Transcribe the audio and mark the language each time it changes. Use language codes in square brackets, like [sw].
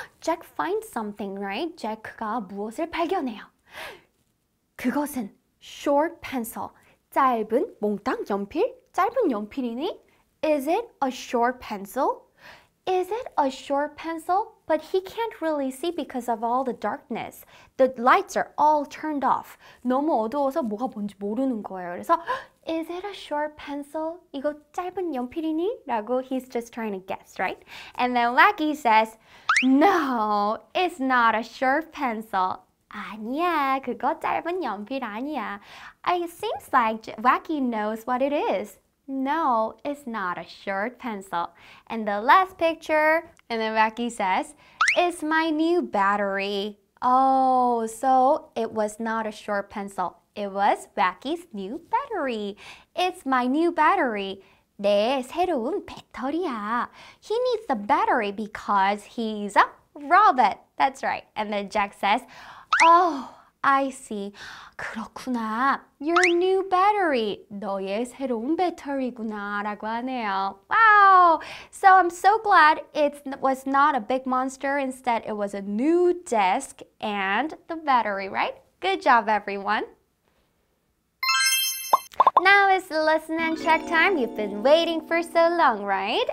[en] Jack finds something, right? Jack가 [ko] 무엇을 발견해요? 그것은 [en] short pencil. [ko] 짧은 몽땅 연필? 짧은 연필이니? [en] Is it a short pencil? Is it a short pencil? But he can't really see because of all the darkness. The lights are all turned off. [ko] 너무 어두워서 뭐가 뭔지 모르는 거예요. 그래서 [en] Is it a short pencil? [ko] 이거 짧은 연필이니? 라고 [en] he's just trying to guess, right? And then Wacky says, No, it's not a short pencil. [ko] 아니야, 그거 짧은 연필 아니야. [en] It seems like Wacky knows what it is. No, it's not a short pencil. And the last picture, and then Wacky says, It's my new battery. Oh, so it was not a short pencil. It was Wacky's new battery. It's my new battery. [ko] 내 새로운 배터리야. [en] He needs the battery because he's a robot. That's right. And then Jack says, Oh, I see. [ko] 그렇구나. [en] Your new battery. [ko] 너의 새로운 배터리구나 라고 하네요. [en] Wow. So I'm so glad it was not a big monster. Instead, it was a new desk and the battery, right? Good job, everyone. Now it's listen and check time. You've been waiting for so long, right?